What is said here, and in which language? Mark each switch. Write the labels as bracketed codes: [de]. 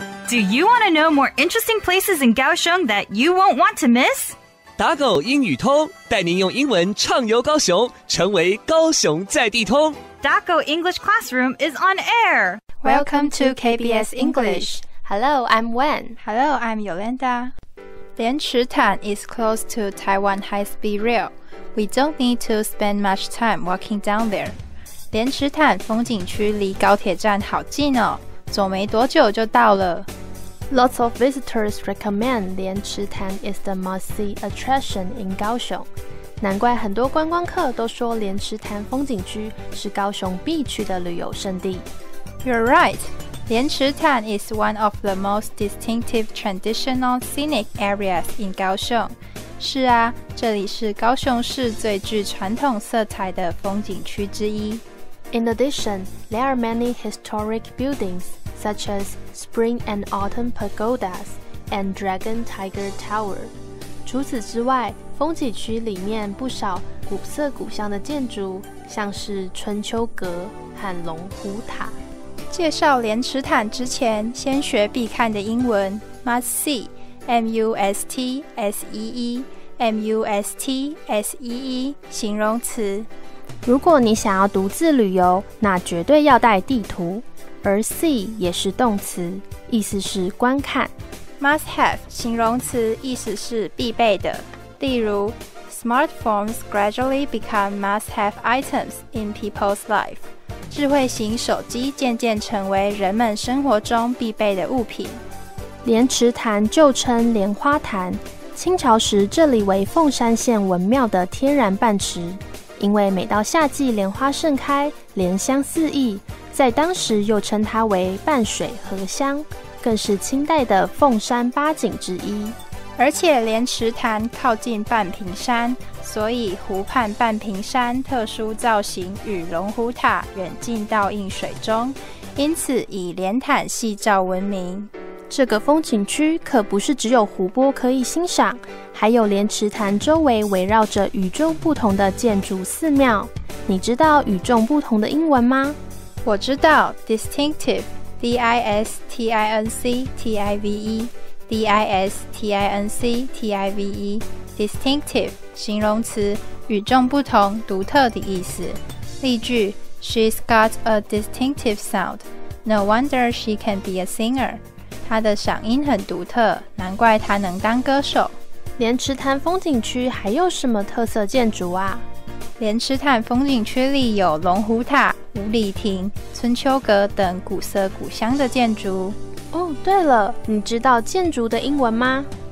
[en] Do you want to know more interesting places in Kaohsiung that you won't want to miss? [zh] 打狗英语通，带您用英文畅游高雄，成为高雄在地通。 [en] Daco English Classroom is on air. Welcome to KBS English. Hello, I'm Wen. Hello, I'm Yolanda. 莲池潭 is close to Taiwan high-speed rail. We don't need to spend much time walking down there. [zh] 莲池潭风景区离高铁站好近哦，走没多久就到了。 [en] Lots of visitors recommend 莲池潭 is the must-see attraction in Kaohsiung. [zh] 难怪很多观光客都说莲池潭风景区是高雄必去的旅游胜地。 [en] You're right. 莲池潭 is one of the most distinctive traditional scenic areas in 高雄。 [zh] 是啊，这里是高雄市最具传统色彩的风景区之一。 [en] In addition, there are many historic buildings, such as Spring and Autumn Pagodas and Dragon Tiger Tower. [zh] 除此之外，风景区里面不少古色古香的建筑，像是春秋阁和龙虎塔。介绍莲池潭之前，先学必看的英文 must see，M-U-S-T-S-E-E，M-U-S-T-S-E-E， 形容词。如果你想要独自旅游，那绝对要带地图。而 see 也是动词，意思是观看。 Must have 形容词，意思是必备的。 [en] 例如 ，smartphones gradually become must-have items in people's life. [zh] 智慧型手机渐渐成为人们生活中必备的物品。莲池潭旧称莲花潭，清朝时这里为凤山县文庙的天然半池。因为每到夏季莲花盛开，莲香四溢，在当时又称它为半水荷香。更是清代的凤山八景之一，而且莲池潭靠近半屏山，所以湖畔半屏山特殊造型与龙虎塔远近倒映水中，因此以莲潭夕照闻名。这个风景区可不是只有湖泊可以欣赏，还有莲池潭周围围绕着与众不同的建筑寺庙。你知道与众不同的英文吗？我知道 distinctive。D-I-S-T-I-N-C-T-I-V-E D-I-S-T-I-N-C-T-I-V-E Distinctive 形容词，与众不同，独特的意思。 [en] 例句， She's got a distinctive sound. No wonder she can be a singer. [zh] 她的嗓音很独特，难怪她能当歌手。莲池潭风景区还有什么特色建筑啊？莲池潭风景区里有龙虎塔、五里亭、春秋阁等古色古香的建筑。哦，对了，你知道建筑的英文吗？